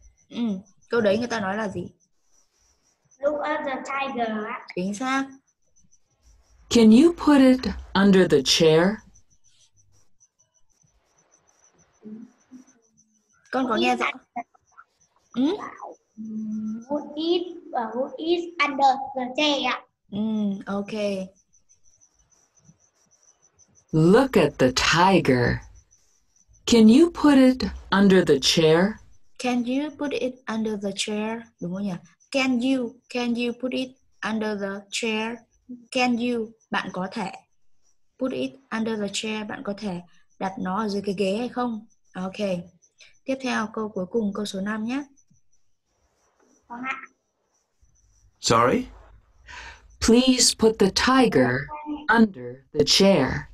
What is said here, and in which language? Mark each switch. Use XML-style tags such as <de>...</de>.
<vi>Ừ, câu đấy người ta nói là gì?</vi> <en>Look at the tiger.</en> <vi>Chính xác.</vi> <en>Can you put it under the chair?</en> <vi>Con có nghe rõ. Ừ?</vi> <en>Who is under the chair? Okay. Look at the tiger. Can you put it under the chair? Can you put it under the chair?</en> <vi>Đúng không nhỉ?</vi> <en>Can you put it under the chair? Can you?</en> <vi>Bạn có thể.</vi> <en>Put it under the chair.</en> <vi>Bạn có thể đặt nó ở dưới cái ghế hay không? Okay. Tiếp theo câu cuối cùng, câu số 5 nhé.</vi> <en>Sorry? Please put the tiger under the chair.</en>